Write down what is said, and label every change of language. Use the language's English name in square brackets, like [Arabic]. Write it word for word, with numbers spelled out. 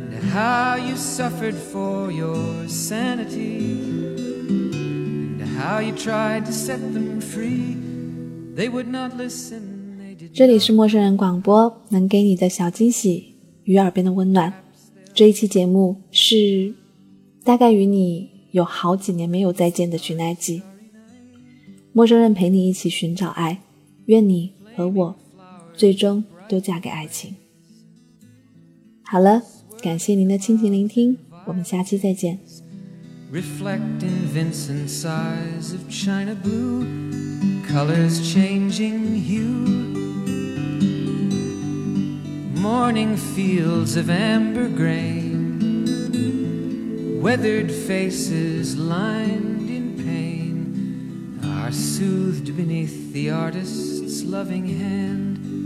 [English] How you suffered for your sanity, and how you tried to set them free, they would not listen, they did not. [Chinese] 这里是陌生人广播，能给你的小惊喜与耳边的温暖。这一期节目是大概与你有好几年没有再见的寻爱记，陌生人陪你一起寻找爱，愿你和我最终都嫁给爱情。好了，感谢您的倾情聆听，我们下期再见。 [English] Reflecting Vincent's eyes of china blue, colors changing hue, morning fields of amber grain, weathered faces lined in pain, are soothed beneath the artist's loving hand.